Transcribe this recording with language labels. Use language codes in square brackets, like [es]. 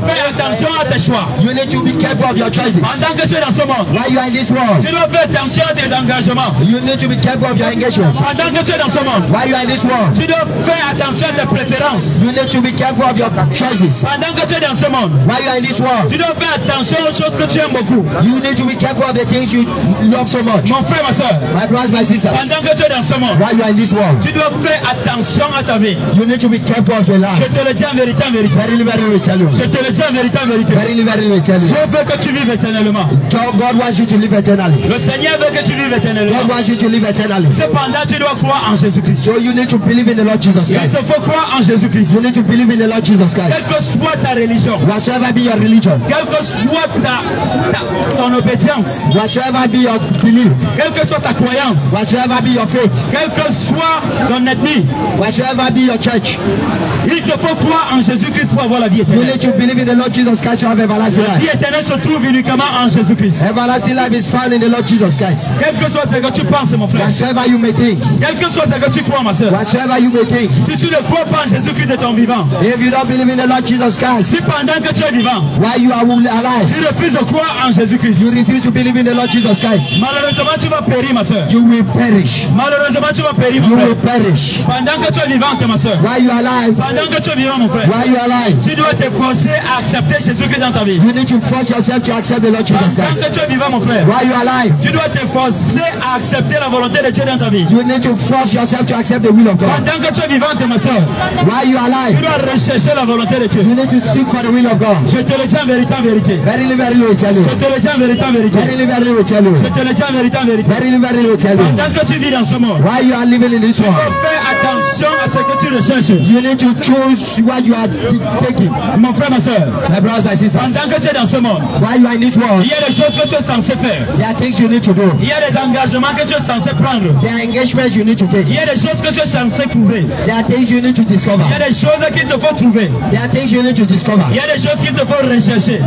[fr] tu dois faire attention à tes choix. [en] You need to be careful of your choices. [fr] Pendant que tu es dans ce monde, [en] while you are in this world, [fr] tu dois faire attention à tes engagements. [en] You need to be careful of your engagements. [fr] Pendant que tu es dans ce monde, [en] while you are in this world, [fr] tu dois faire attention à tes préférences. [en] You need to be careful of your choices. [fr] Pendant que tu es dans ce monde, [en] while you are in this world, [fr] tu dois faire attention aux choses que tu aimes beaucoup. [en] You need to be careful of the things you love so much. [fr] Mon frère, ma soeur. [en] My brothers, my sisters. [fr] Pendant que tu es dans ce monde, [en] while you are in this world, [fr] tu dois faire attention à ta vie. [en] You need to be careful of your life. [fr] Je te le dis en vérité, en vérité. [en] Verily, verily, we tell you. [fr] Je te le dis en vérité, en vérité. [en] Verily, verily, we tell you. [fr] Dieu veut que tu vives éternellement. [en] God wants you to live eternally. [fr] Le Seigneur veut que tu vives éternellement. [en] God wants you to live eternally. [fr] Cependant, tu dois croire en Jésus Christ. [en] So you need to believe in the Lord Jesus Christ. [fr] Il te faut croire en Jésus Christ. [en] You need to believe in the Lord Jesus Christ. [fr] Quelle que soit ta religion, [en] whatever be your religion, [fr] quelle que soit ton obédience, [en] whatever be your belief, [fr] quelle que soit ta croyance, [en] whatever be your faith, [fr] quelle que soit ton ethnie, [en] whatever be your church, [fr] il te faut croire en Jésus Christ pour avoir la vie éternelle. [en] You need to believe in the Lord Jesus Christ to have everlasting life. [fr] La vie éternelle se trouve uniquement en Jésus Christ. [en] Everlasting life is found in the Lord Jesus Christ. [fr] Quel que soit ce que tu penses, mon frère, [en] whatever you may think, [fr] quel que soit ce que tu crois, ma soeur, [en] whatever you may think, [fr] si tu ne crois pas en Jésus Christ de ton vivant, [en] if you don't believe in the Lord Jesus Christ, [fr] si pendant que tu es vivant, [en] while you are alive, [fr] tu refuses de croire en Jésus Christ, [en] you refuse to believe in the Lord Jesus Christ, [fr] malheureusement tu vas périr, ma soeur, [en] you will perish. [fr] Malheureusement tu vas périr, [en] you will perish. [fr] Pendant que tu es vivant, ma soeur, [en] while you are alive, [fr] pendant que tu es vivant, mon frère, [en] while you are alive, [fr] tu dois te forcer à accepter Jésus Christ dans ta vie. [en] You need to force yourself to accept the Lord Jesus Christ. [fr] Pendant que tu es vivant, mon frère, [en] while you are alive, [fr] tu dois te forcer à accepter la volonté de Dieu dans ta vie. [en] You need to force yourself to accept the will of God. [fr] Pendant que tu es vivant, ma soeur, [en] while you are alive, [fr] tu dois rechercher la volonté de Dieu. [en] You need to seek for the will of God. [fr] Je te le dis en vérité, en vérité. [en] Verily, verily, we tell you. [fr] Je te le dis en vérité, en vérité. [en] Verily, verily, we tell you. [fr] Je te le dis en vérité, en vérité. [en] Verily, verily, we tell you. [fr] Pendant que tu vis dans ce monde, [en] while you are living in this world, [fr] fais attention à ce que tu recherches. [en] You need to choose what you are taking. [fr] Mon frère, ma soeur, [en] my brothers, my sisters. [fr] Pendant que tu es dans ce monde, [en] while you are in this world, [fr] il y a des choses que tu es censé faire. [en] There are things you need to do. [fr] Il y a des engagements que tu es censé prendre. [en] There are engagements you need to take. [fr] Il y a des choses que tu es censé couvrir. [en] There are things you need to discover. [fr] Il y a des choses qu'il te faut trouver. [en] There are things you need to discover. [fr] Il y a des choses qu'il te faut rechercher.